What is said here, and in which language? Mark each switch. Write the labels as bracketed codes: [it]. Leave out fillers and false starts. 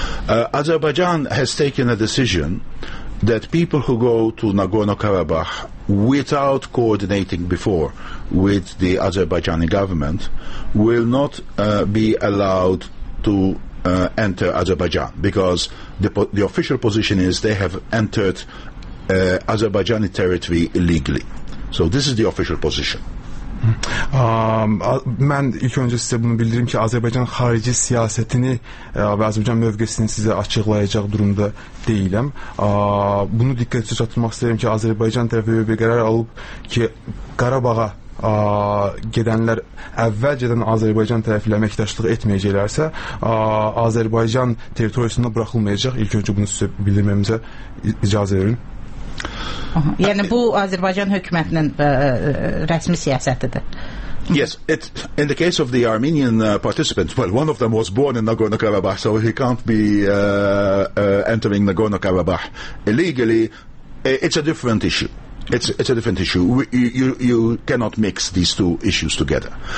[en] Azerbaijan has taken a decision that people who go to Nagorno-Karabakh without coordinating before with the Azerbaijani government will not be allowed to enter Azerbaijan, because the official position is they have entered Azerbaijani territory illegally. So this is the official position. [az] Mən ilk öncə sizə bunu bildirim ki, Azərbaycan xarici siyasətini və Azərbaycan mövqəsini sizə açıqlayacaq durumda deyiləm. Bunu diqqətə çatdırmaq istəyirəm ki, Azərbaycan tərəfi bir qərar alıb ki, Qarabağa gedənlər əvvəlcədən Azərbaycan tərəfi ilə əməkdaşlıq etməyəcəklərsə, Azərbaycan territoriyasında buraxılmayacaq. İlk öncə bunu sizə bildirməmizə icazə verin. Yəni bu Azərbaycan hökumətinin rəsmi siyasətidir. [en] Yes, it in the case of the Armenian participants, well, one of them was born in Nagorno-Karabakh, so he can't be entering Nagorno-Karabakh illegally. It's a different issue. It's a different issue. You cannot mix these two issues together.